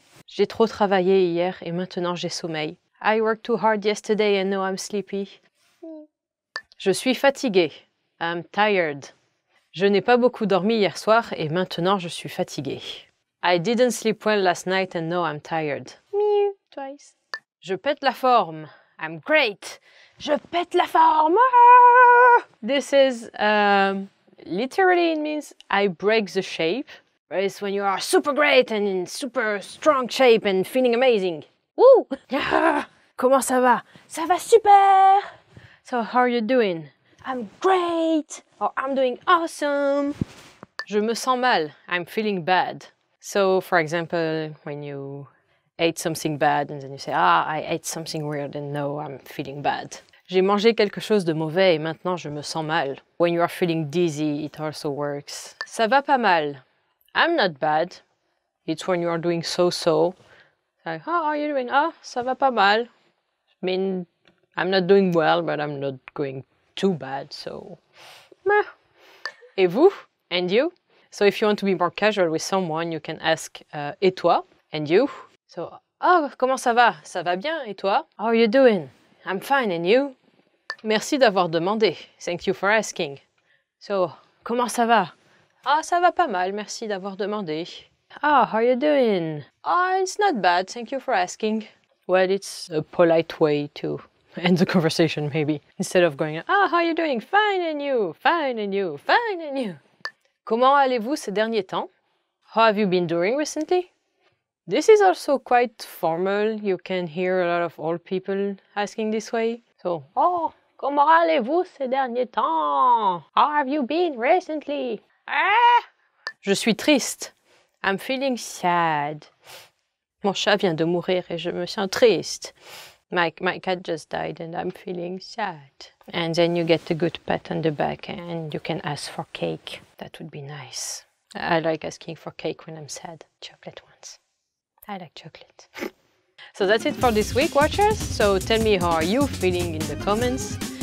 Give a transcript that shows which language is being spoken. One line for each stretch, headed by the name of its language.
French: J'ai trop travaillé hier et maintenant j'ai sommeil.
English: I worked too hard yesterday and now I'm sleepy.
French: Je suis fatigué.
English: I'm tired.
French: Je n'ai pas beaucoup dormi hier soir et maintenant je suis fatigué.
English: I didn't sleep well last night and now I'm tired. Mew, twice.
French: Je pète la forme.
English: I'm great.
French: Je pète la forme.
English: This is, literally it means I break the shape. It's when you are super great and in super strong shape and feeling amazing. Woo!
French: Comment ça va? Ça va super!
English: So how are you doing? I'm great! Or I'm doing awesome!
French: Je me sens mal.
English: I'm feeling bad. So, for example, when you ate something bad and then you say, ah, I ate something weird and now I'm feeling bad.
French: J'ai mangé quelque chose de mauvais et maintenant je me sens mal.
English: When you are feeling dizzy, it also works.
French: Ça va pas mal.
English: I'm not bad. It's when you are doing so-so. Like, how are you doing?
French: Ah, ça va pas mal.
English: I mean, I'm not doing well, but I'm not going too bad, so... Meh.
French: Et vous?
English: And you? So if you want to be more casual with someone, you can ask,
French: et toi?
English: And you? So, oh,
French: comment ça va? Ça va bien, et toi?
English: How are you doing? I'm fine, and you?
French: Merci d'avoir demandé.
English: Thank you for asking. So,
French: comment ça va? Ah, ça va pas mal, merci d'avoir demandé.
English: Ah, how are you doing? Ah, it's not bad, thank you for asking. Well, it's a polite way to end the conversation, maybe. Instead of going, ah, how are you doing? Fine and you, fine and you, fine and you.
French: Comment allez-vous ces derniers temps?
English: How have you been doing recently? This is also quite formal. You can hear a lot of old people asking this way. So,
French: oh, comment allez-vous ces derniers temps?
English: How have you been recently? Ah!
French: Je suis triste.
English: I'm feeling sad.
French: Mon chat vient de mourir et je me sens triste.
English: My cat just died and I'm feeling sad. And then you get a good pat on the back and you can ask for cake. That would be nice. I like asking for cake when I'm sad. Chocolate ones. I like chocolate. So that's it for this week, watchers. So tell me how are you feeling in the comments.